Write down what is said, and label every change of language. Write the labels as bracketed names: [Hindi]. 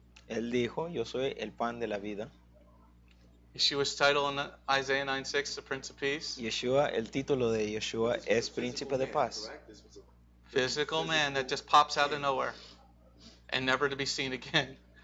[Spanish] Él dijo, yo soy el pan de la vida. [English] Yeshua's title in Isaiah 9:6, the Prince of Peace. [Spanish] Yeshua, el título de Yeshua es Príncipe de Paz. [English] Physical man that just pops out of nowhere and never to be seen again.